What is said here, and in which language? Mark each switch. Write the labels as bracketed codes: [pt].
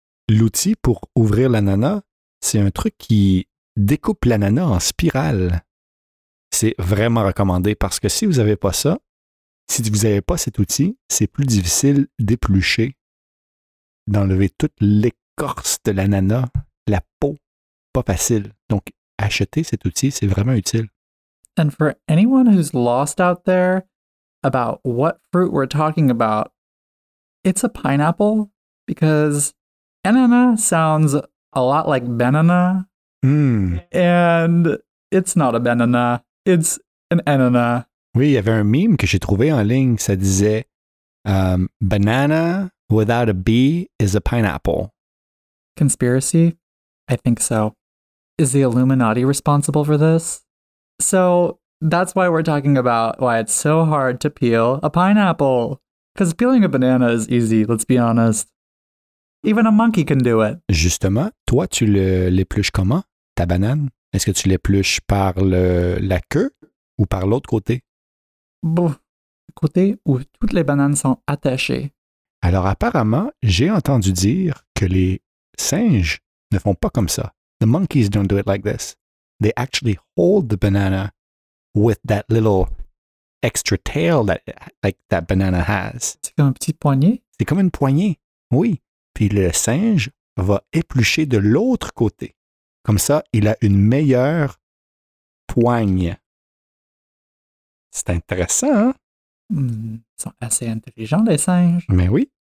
[fr] L'outil pour ouvrir l'ananas, c'est un truc qui découpe l'ananas en spirale. C'est vraiment recommandé parce que si vous n'avez pas ça, si vous n'avez pas cet outil, c'est plus difficile d'éplucher, d'enlever toute l'écorce de l'ananas, la peau, pas facile. Donc, acheter cet outil, c'est vraiment utile. [en] And for anyone who's lost out there about what fruit we're talking about, it's a pineapple because anana sounds a lot like banana. And it's not a banana, it's an anana. [fr] Oui, il y avait un meme que j'ai trouvé en ligne, ça disait [en] banana without a B is a pineapple. Conspiracy? I think so. Is the Illuminati responsible for this? So, that's why we're talking about why it's so hard to peel a pineapple. Because peeling a banana is easy, let's be honest. Even a monkey can do it. [fr] Justement, toi, tu l'épluches comment, ta banane? Est-ce que tu l'épluches par la queue ou par l'autre côté? Bon, côté où toutes les bananes sont attachées. Alors, apparemment, j'ai entendu dire que les singes ne font pas comme ça. [en] The monkeys don't do it like this. They actually hold the banana with that little extra tail that like that banana has. [fr] C'est comme un petit poignet? C'est comme une poignée, oui. Puis le singe va éplucher de l'autre côté. Comme ça, il a une meilleure poigne. C'est intéressant, hein? Ils sont assez intelligents, les singes. Mais oui.